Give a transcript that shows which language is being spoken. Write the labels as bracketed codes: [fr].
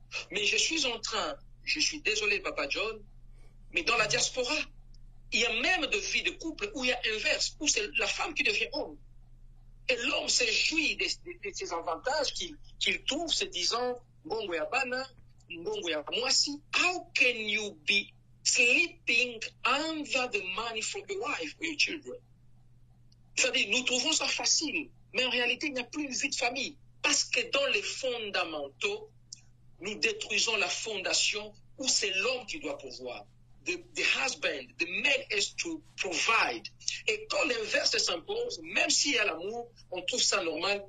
[fr] Mais je suis désolé, Papa John, mais dans la diaspora, il y a même de vie de couple où il y a inverse, où c'est la femme qui devient homme. Et l'homme se jouit de ses avantages qu'il trouve, se disant, bon, we are bana, bon, we are moisi. [en] How can you be sleeping under the money from your wife, your children? [fr] C'est-à-dire, nous trouvons ça facile, mais en réalité, il n'y a plus une vie de famille. Parce que dans les fondamentaux, nous détruisons la fondation où c'est l'homme qui doit pouvoir. [en] The man is to provide. [fr] Et quand l'inverse s'impose, même s'il y a l'amour, on trouve ça normal.